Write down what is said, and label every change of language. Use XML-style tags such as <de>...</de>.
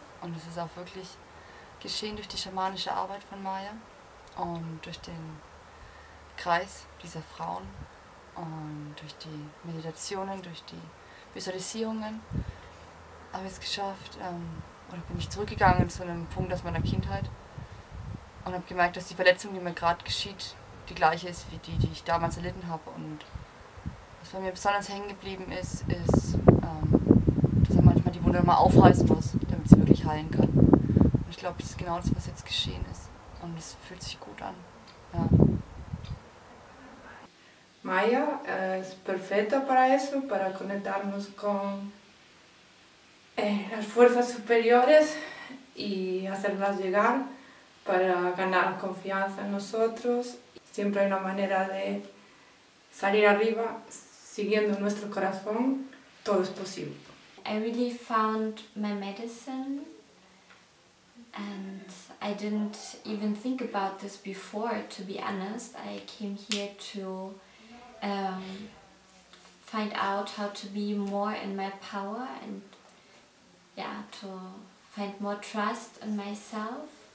<de>Und es ist auch wirklich geschehen durch die schamanische Arbeit von Maya und durch den Kreis dieser Frauen und durch die Meditationen, durch die Visualisierungen habe ich es geschafft, oder bin ich zurückgegangen zu einem Punkt aus meiner Kindheit und habe gemerkt, dass die Verletzung, die mir gerade geschieht, die gleiche ist wie die, die ich damals erlitten habe. Und was bei mir besonders hängen geblieben ist, ist, dass man manchmal die Wunde nochmal aufreißen muss, damit sie wirklich heilen kann. Und ich glaube, das ist genau das, was jetzt geschehen ist. Und es fühlt sich gut an. Ja.</de> <es>Maya es perfecta para eso, para conectarnos con las fuerzas superiores y hacerlas llegar para ganar confianza en nosotros. Siempre hay una manera de salir arriba siguiendo nuestro corazón. Todo es posible.</es> <en>I really found my medicine and I didn't even think about this before, to be honest. I came here to find out how to be more in my power and yeah, to find more trust in myself.</en>